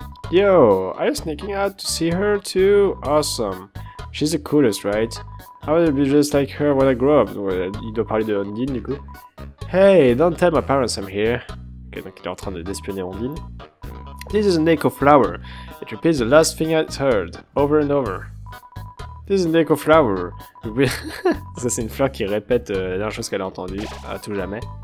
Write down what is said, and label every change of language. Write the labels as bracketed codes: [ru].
[en] Yo, are you sneaking out to see her too? Awesome. She's the coolest, right? I want to be just like her when I grow up. [fr] Ouais, il doit parler de Ondine, du coup. [en] Hey, don't tell my parents I'm here. [fr] Ok, donc il est en train de d'espionner Ondine. [en] This is an echo flower. It repeats the last thing I heard, over and over. This is an echo flower. [fr] Ça, c'est une fleur qui répète la dernière chose qu'elle a entendue à tout jamais.